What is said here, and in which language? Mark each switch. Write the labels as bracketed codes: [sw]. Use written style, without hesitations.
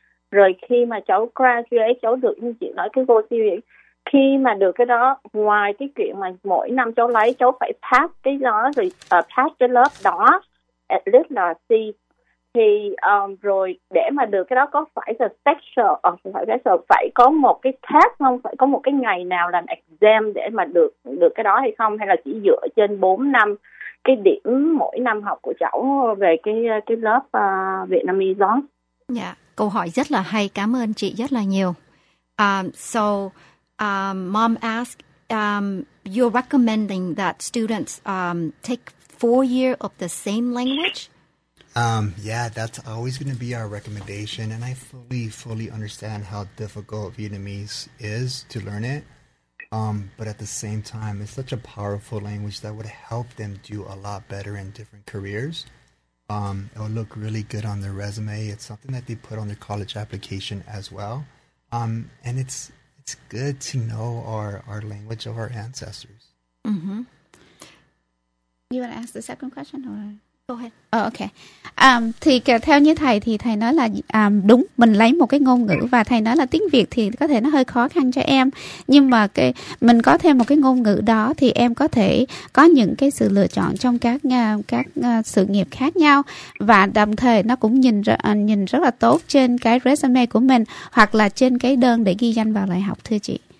[vi] Rồi khi mà cháu graduate, cháu được như chị nói cái goal, khi mà được cái đó, ngoài cái chuyện mà mỗi năm cháu lấy, cháu phải pass cái đó rồi pass cái lớp đó [en] at least [vi] là C, thì rồi để mà được cái đó có phải là special, phải có một cái test không, phải có một cái ngày nào làm exam để mà được cái đó hay không, hay là chỉ dựa trên 4 năm cái điểm mỗi năm học của cháu về cái lớp Vietnamese đó? Dạ, câu hỏi rất là hay, cảm ơn chị rất là nhiều. [en] So mom asked, you're recommending that students take 4 years of the same language? Yeah, that's always going to be our recommendation. And I fully understand how difficult Vietnamese is to learn it. But at the same time, it's such a powerful language that would help them do a lot better in different careers. It would look really good on their resume. It's something that they put on their college application as well. And it's good to know our language of our ancestors. Mm-hmm. You want to ask the second question or go ahead? Oh, okay. [vi] Thì theo như thầy thì thầy nói là đúng, mình lấy một cái ngôn ngữ và thầy nói là tiếng Việt thì có thể nó hơi khó khăn cho em, nhưng mà cái mình có thêm một cái ngôn ngữ đó thì em có thể có những cái sự lựa chọn trong các sự nghiệp khác nhau, và đồng thời nó cũng nhìn rất là tốt trên cái resume của mình hoặc là trên cái đơn để ghi danh vào đại học thưa chị.